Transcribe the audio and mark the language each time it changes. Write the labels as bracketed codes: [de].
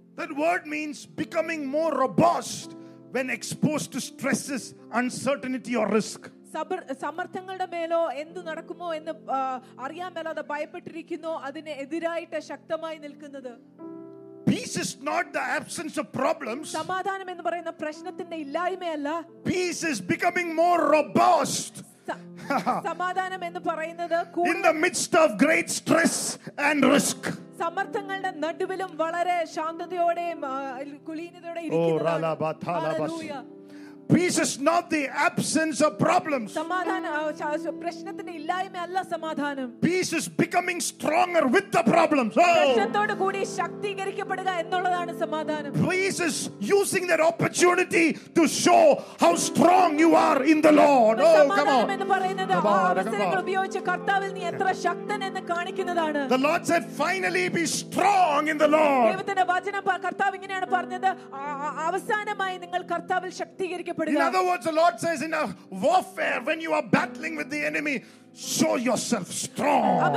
[en] That word means becoming more robust when exposed to stresses, uncertainty or risk. [ml] സമ്മർദ്ദങ്ങളുടെ മേലോ എന്ത് നടക്കുമോ എന്ന് അറിയാൻ മേലാതെ ഭയപ്പെട്ടിരിക്കുന്നു, അതിനെ എതിരായിട്ട് ശക്തമായി നിൽക്കുന്നത്. [en] Peace is not the absence of problems. [ml] സമാധാനം എന്ന് പറയുന്ന പ്രശ്നത്തിന്റെ ഇല്ലായ്മയല്ല. [en] Peace is becoming more robust. [ml] സമാധാനം എന്ന് പറയുന്നത് [en] in the midst of great stress and risk. [ml] സമ്മർദ്ദങ്ങളുടെ നടുവിലും വളരെ ശാന്തതയോടെയും കുലീനതയോടെ ഇരിക്കുന്നത്. [en] Peace is not the absence of problems. [ml] പ്രശ്നത്തിന്റെ ഇല്ലായ്മയല്ല സമാധാനം. [en] Peace is becoming stronger with the problems. [ml] പ്രശ്നത്തോട് കൂടി ശക്തീകരിക്കപ്പെടുക എന്നുള്ളതാണ് സമാധാനം. [en] Peace is using that opportunity to show how strong you are in the Lord. Oh, come on. [ml] എന്ന് പറയുന്നത് അവസരങ്ങൾ ഉപയോഗിച്ച് കർത്താവിൽ നീ എത്ര ശക്തൻ എന്ന് കാണിക്കുന്നതാണ്. [en] The Lord said, finally be strong in the Lord. [ml] ദൈവത്തിന്റെ വചനം കർത്താവ് ഇങ്ങനെയാണ് പറഞ്ഞത്, അവസാനമായി നിങ്ങൾ കർത്താവിൽ ശക്തീകരിക്കുക. [en] In other words, the Lord says, in a warfare, when you are battling with the enemy, show yourself strong.